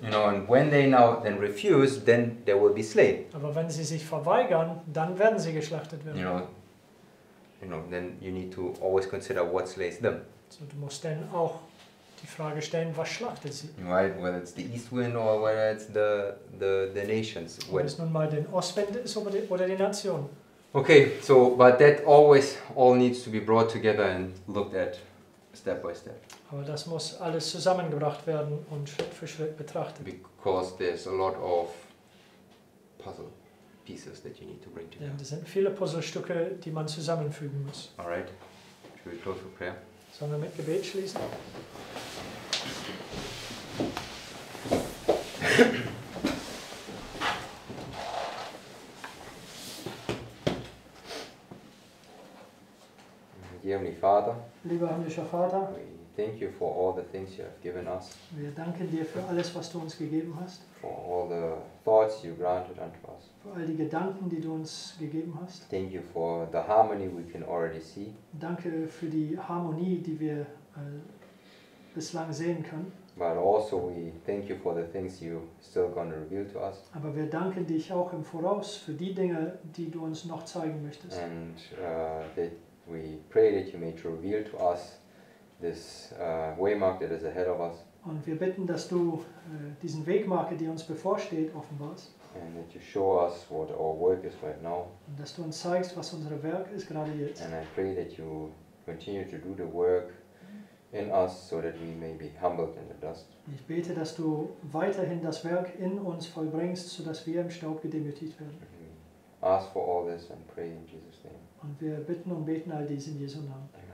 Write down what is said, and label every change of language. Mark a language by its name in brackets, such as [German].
[English] You know, and when they now then refuse, then they will be slain. [German] Aber wenn sie sich verweigern, dann werden sie geschlachtet werden. [English] You know, then you need to always consider what slays them. [German] So du musst dann auch die Frage stellen, was schlachtet sie? [English] Right, whether it's the east wind or whether it's the nations. [German] Wenn es nun mal den Ostwind ist oder die Nation. [English] Okay, so but that always all needs to be brought together and looked at. Step by step. [German] Aber das muss alles zusammengebracht werden und Schritt für Schritt betrachtet. [English] Because there's a lot of puzzle pieces that you need to bring together. [German] Denn es sind viele Puzzlestücke, die man zusammenfügen muss. [English] All right. Should we close with prayer? [German] Sollen wir mit Gebet schließen? [English] Heavenly Father, [German] lieber himmlischer Vater, [English] we thank you for all the things you have given us. [German] Wir danken dir für alles, was du uns gegeben hast. [English] For all the thoughts you granted unto us. [German] Für all die Gedanken, die du uns gegeben hast. [English] Thank you for the harmony we can already see. [German] Danke für die Harmonie, die wir bislang sehen können. [English] But also we thank you for the things you still going to reveal to us. [German] Aber wir danken dich auch im Voraus für die Dinge, die du uns noch zeigen möchtest. [English] And we pray that you may reveal to us this waymark that is ahead of us. [German] Und wir bitten, dass du diesen Wegmarke, die uns bevorsteht, offenbarst. [English] And that you show us what our work is right now. [German] Und dass du uns zeigst, was unser Werk ist gerade jetzt. [English] And I pray that you continue to do the work in us, so that we may be humbled in the dust. [German] Ich bete, dass du weiterhin das Werk in uns vollbringst, so dass wir im Staub gedemütigt werden. [English] We ask for all this and pray in Jesus' name. [German] Und wir bitten und beten all dies in Jesu Namen.